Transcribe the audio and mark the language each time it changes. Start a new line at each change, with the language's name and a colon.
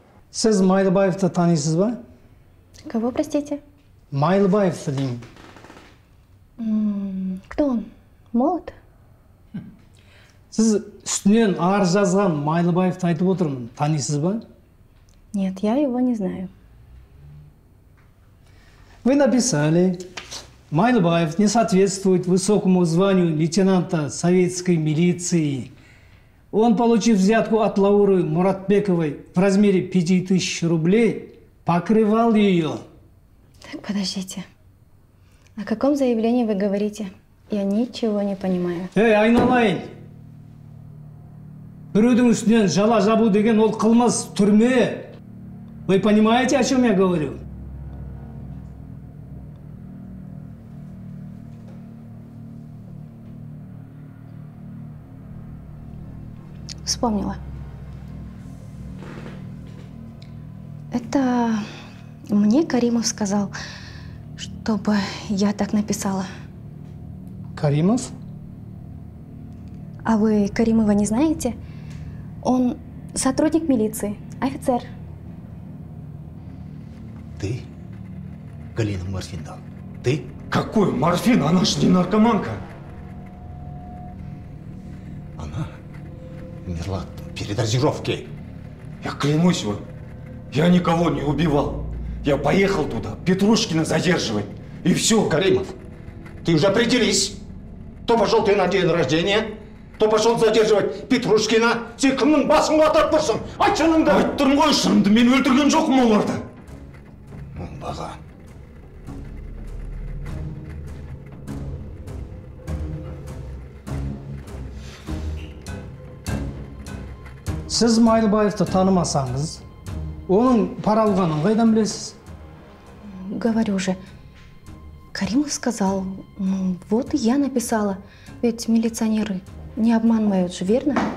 Kazakh: Сіз Майлыбаевты танисыз ба?
Russian: Кого, простите?
Kazakh: Майлыбаевты деймін.
Russian: Кто он? Молод?
Kazakh: Сіз үстінен арыз жазған Майлыбаевты айтып отырмын. Танисыз ба?
Russian: Нет, я его не знаю. Вы написали: Майлыбаев не соответствует высокому званию лейтенанта советской милиции. Он, получив взятку от Лауры Муратбековой в размере 5000 рублей, покрывал ее. Так, подождите. О каком заявлении вы говорите? Я ничего не понимаю.
Kazakh: Эй, айналайын! Бірудің үстінен жала жабу деген ол қылмыс, түрме.
Russian: Вы понимаете, о чем я говорю? Вспомнила. Это мне Каримов сказал, чтобы я так написала. Каримов? А вы Каримова не знаете? Он сотрудник милиции, офицер. Ты Галину морфин дал? Ты? Какой морфин? Она же не наркоманка. Она умерла от передозировки. Я клянусь вам, я никого не убивал. Я поехал туда Петрушкина задерживать. И все. Каримов, ты уже определись. То пошел ты на день рождения, то пошел задерживать Петрушкина.
Kazakh: Ты кімнің басын қатырып тұрсың? Ай, шыныңды! Айттым ғой, шыныңды. Мен өлтірген жоқ оларды. Оңбаға. Сіз Майлыбаевты танымасаңыз, оның пара алғанын қайдан білесіз?
Russian: Говорю же, Каримов сказал, вот я написала, ведь милиционеры не обманывают же, верно?